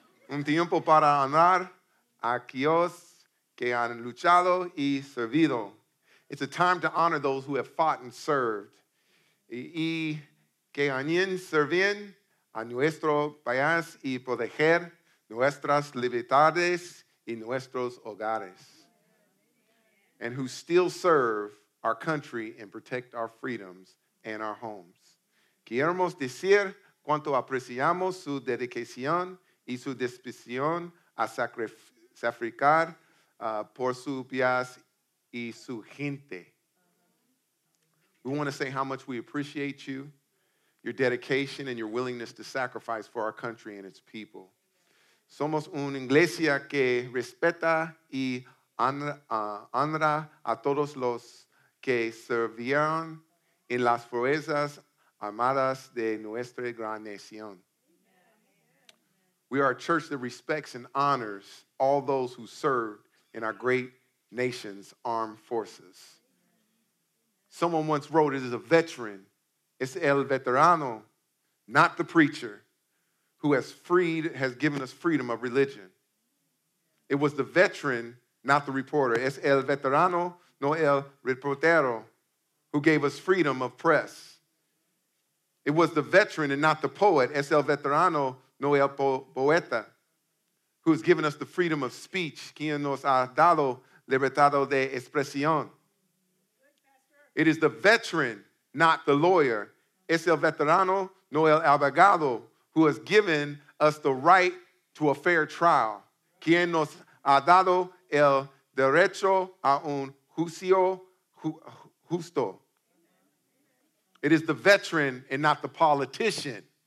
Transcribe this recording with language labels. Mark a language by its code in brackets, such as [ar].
[es] Un tiempo para honrar a aquellos que han luchado y servido. [en] It's a time to honor those who have fought and served. [es] Y que han servido a nuestro país y proteger nuestras libertades y nuestros hogares. [en] And who still serve our country and protect our freedoms and our homes. [es] Queremos decir cuánto apreciamos su dedicación y su disposición a sacrificar por su paz y su gente. [en] We want to say how much we appreciate you, your dedication, and your willingness to sacrifice for our country and its people. [es] Somos una iglesia que respeta y honra a todos los que servieron en las fuerzas armadas de nuestra gran nación. [en] We are a church that respects and honors all those who serve in our great nation's armed forces. Someone once wrote, it is a veteran, it's [es] el veterano, [en] not the preacher, who has given us freedom of religion. It was the veteran, not the reporter. [es] Es el veterano, no el reportero, [en] who gave us freedom of press. It was the veteran and not the poet. [es] Es el veterano, no el poeta, [en] who has given us the freedom of speech, [es] quien nos ha dado libertad de expresión. [en] It is the veteran, not the lawyer. [es] Es el veterano, no el abogado, [en] who has given us the right to a fair trial. [es] Quien nos ha dado el derecho a un juicio justo. [en] It is the veteran and not the politician.